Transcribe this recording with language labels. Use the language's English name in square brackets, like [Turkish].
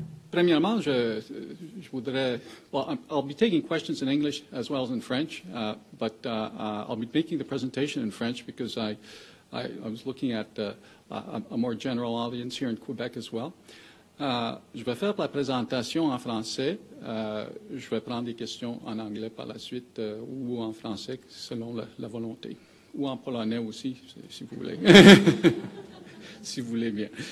[French] Premièrement, je voudrais. [English] I'll be taking questions in English as well as in French, but I'll be making the presentation in French because I was looking at a more general audience here in Quebec as well. [French] Je vais faire la présentation en français. Je vais prendre des questions en anglais par la suite ou en français selon la volonté. Ou en polonais aussi, si vous voulez. Si vous voulez bien.